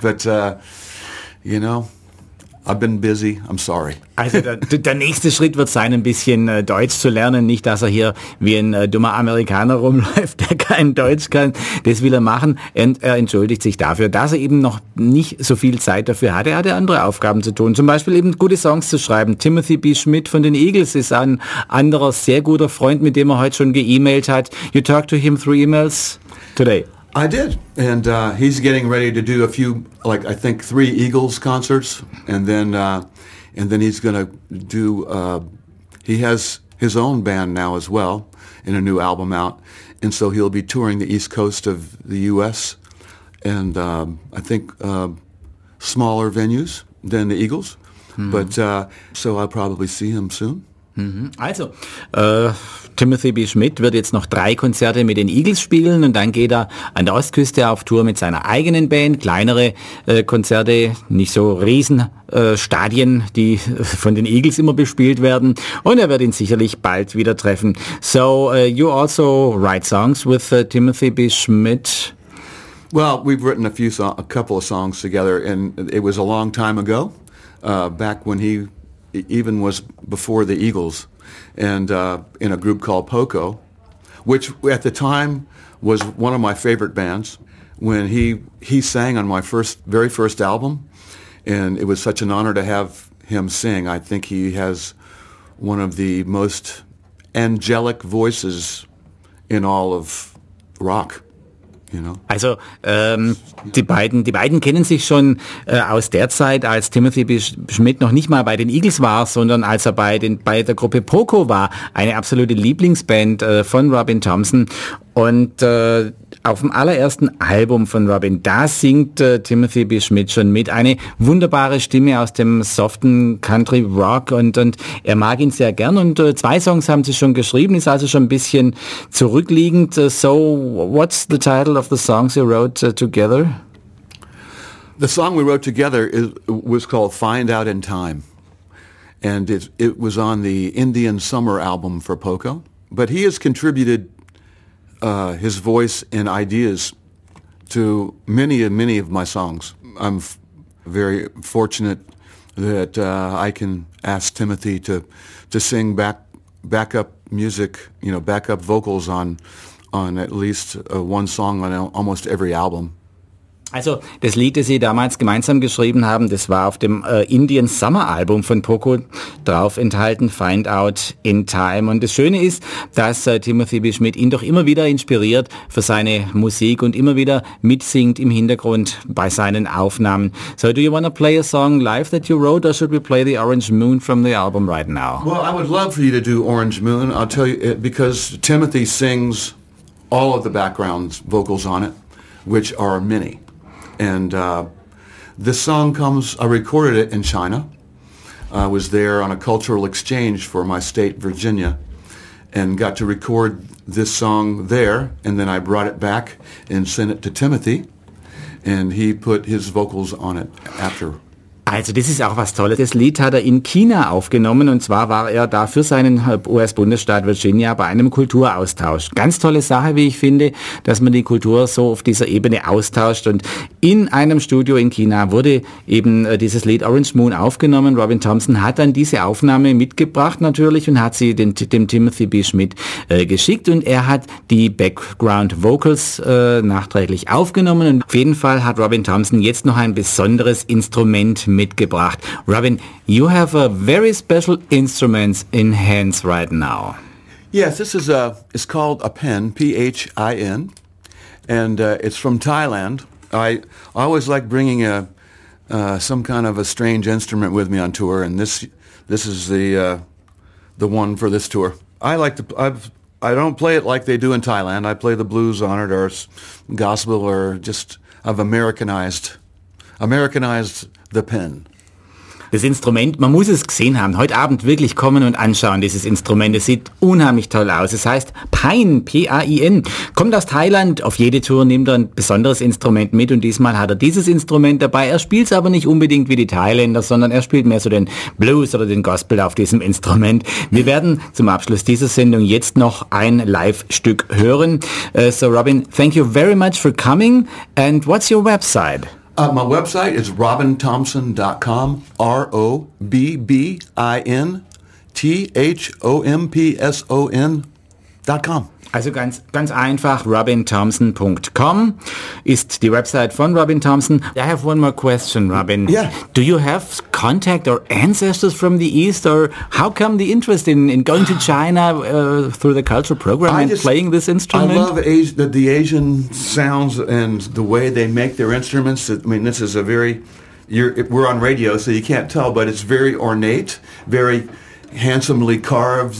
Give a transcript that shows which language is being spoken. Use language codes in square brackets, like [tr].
[en] But, you know, I've been busy. I'm sorry. [de] Also der nächste Schritt wird sein, ein bisschen Deutsch zu lernen. Nicht, dass er hier wie ein dummer Amerikaner rumläuft, der kein Deutsch kann. Das will er machen. Und er entschuldigt sich dafür, dass er eben noch nicht so viel Zeit dafür hatte. Er hatte andere Aufgaben zu tun. Zum Beispiel eben gute Songs zu schreiben. Timothy B. Schmidt von den Eagles ist ein anderer sehr guter Freund, mit dem er heute schon ge-emailt hat. [en] You talked to him through emails today. I did, and he's getting ready to do a few, like I think three Eagles concerts, and then he's going to do, he has his own band now as well, in a new album out, and so he'll be touring the East Coast of the U.S., and I think smaller venues than the Eagles, but so I'll probably see him soon. [de] Also, Timothy B. Schmidt wird jetzt noch drei Konzerte mit den Eagles spielen und dann geht er an der Ostküste auf Tour mit seiner eigenen Band. Kleinere Konzerte, nicht so riesen Stadien, die von den Eagles immer bespielt werden. Und er wird ihn sicherlich bald wieder treffen. [en] So, you also write songs with Timothy B. Schmidt? Well, we've written a couple of songs together and it was a long time ago, back when he even was before the Eagles, and in a group called Poco, which at the time was one of my favorite bands. When he sang on my very first album, and it was such an honor to have him sing. I think he has one of the most angelic voices in all of rock. [de] Also die beiden kennen sich schon aus der Zeit, als Timothy B. Schmidt noch nicht mal bei den Eagles war, sondern als er bei der Gruppe Poco war, eine absolute Lieblingsband von Robin Thompson. Und auf dem allerersten Album von Robin, da singt Timothy B. Schmidt schon mit. Eine wunderbare Stimme aus dem soften Country Rock und er mag ihn sehr gern. Und zwei Songs haben sie schon geschrieben, ist also schon ein bisschen zurückliegend. [en] So, what's the title of the songs you wrote together? The song we wrote together was called Find Out in Time. And it was on the Indian Summer album for Poco. But he has contributed his voice and ideas to many of my songs. I'm very fortunate that I can ask Timothy to sing backup music, you know, backup vocals on at least one song on almost every album. [de] Also das Lied, das sie damals gemeinsam geschrieben haben, das war auf dem Indian Summer Album von Poco drauf enthalten, Find Out in Time. Und das Schöne ist, dass Timothy B. Schmidt ihn doch immer wieder inspiriert für seine Musik und immer wieder mitsingt im Hintergrund bei seinen Aufnahmen. [en] So do you want to play a song live that you wrote or should we play the Orange Moon from the album right now? Well, I would love for you to do Orange Moon. I'll tell you, because Timothy sings all of the background vocals on it, which are many. And this song comes, I recorded it in China. I was there on a cultural exchange for my state, Virginia, and got to record this song there. And then I brought it back and sent it to Timothy, and he put his vocals on it after. [de] Also das ist auch was Tolles. Das Lied hat er in China aufgenommen und zwar war er da für seinen US-Bundesstaat Virginia bei einem Kulturaustausch. Ganz tolle Sache, wie ich finde, dass man die Kultur so auf dieser Ebene austauscht. Und in einem Studio in China wurde eben dieses Lied Orange Moon aufgenommen. Robin Thompson hat dann diese Aufnahme mitgebracht natürlich und hat sie dem Timothy B. Schmidt geschickt und er hat die Background-Vocals nachträglich aufgenommen. Und auf jeden Fall hat Robin Thompson jetzt noch ein besonderes Instrument mitgebracht. [en] Robin, you have a very special instrument in hands right now. Yes, this is it's called a pen, P-H-I-N, and it's from Thailand. I always like bringing some kind of a strange instrument with me on tour, and this is the one for this tour. I don't play it like they do in Thailand. I play the blues on it, or gospel, or just I've Americanized the pen. [de] Das Instrument, man muss es gesehen haben, heute Abend wirklich kommen und anschauen, dieses Instrument. Es sieht unheimlich toll aus. Es heißt Pain, P-A-I-N. Kommt aus Thailand, auf jede Tour nimmt er ein besonderes Instrument mit und diesmal hat er dieses Instrument dabei. Er spielt es aber nicht unbedingt wie die Thailänder, sondern er spielt mehr so den Blues oder den Gospel auf diesem Instrument. Wir werden zum Abschluss dieser Sendung jetzt noch ein Live-Stück hören. [en] So Robin, thank you very much for coming. And what's your website? My website is robinthompson.com, RobinThompson.com. [de] Also ganz, ganz einfach, robinthompson.com ist die Website von Robin Thompson. [en] I have one more question, Robin. Yeah. Do you have contact or ancestors from the East, or how come the interest in going to China through the cultural program and playing this instrument? I love the Asian sounds and the way they make their instruments. I mean, this is a very, we're on radio, so you can't tell, but it's very ornate, very handsomely carved.